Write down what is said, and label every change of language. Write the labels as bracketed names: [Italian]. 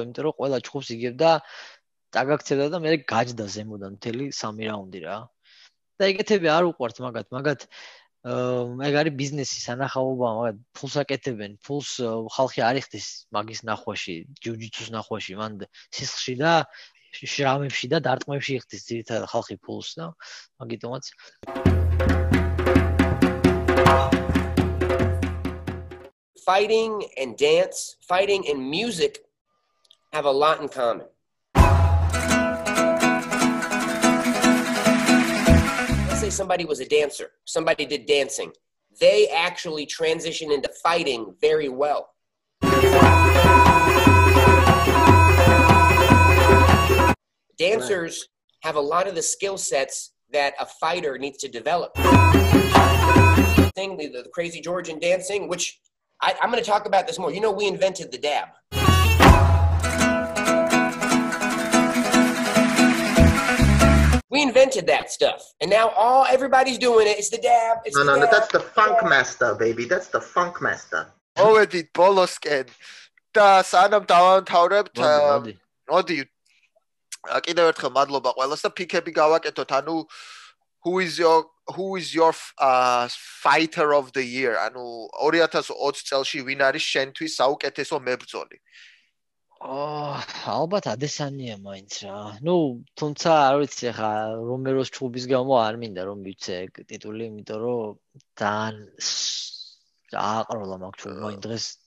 [Georgian] იმიტომ რომ ყველა ჩხუბს იგებდა, დაგაქცევდა და მე გაჯდა ზემოდან მთელი 3 რაუნდი რა, და ეგეთები არ უყვართ მაგათ ეგ არის ბიზნესი, სანახაობა, მაგრამ ფულს აკეთებენ, ფულს ხალხი არიხდის მაგის ნახვაში, ჯიუჯიცუს ნახვაში, მან სისხლში და შრამებში და დარტყმებში იხდის ძირითადად ხალხი ფულს და მაგიტომაც. [English] Fighting and dance, fighting and music have a lot in common. Say somebody was a dancer, somebody did dancing, they actually transition into fighting very well. Dancers have a lot of the skill sets that a fighter needs to develop. The crazy Georgian dancing, which I'm going to talk about this more. You know, we invented the dab. We invented that stuff and now everybody's doing it. It's the dab. It's no, that's the funk master, baby. That's the funk master. [Georgian] Already bolosken და სანამ დავამთავრებთ, მოდი კიდევ ერთხელ მადლობა ყველას და პიკები გავაკეთოთ. [English] ანუ who is your fighter of the year? [Georgian] ანუ 2020 წელში ვინ არის შენთვის საუკეთესო მებრძოლი? ალბათ ადესანია მაინც რა. Ну, თუმცა არ ვიცი ახლა რომეროს ჩხუბის გამო არ მინდა რომ ვიცე ეგ ტიტული, იმიტომ რომ ძალიან დააყროლა მაგ ჩხუბმა იმ დღეს.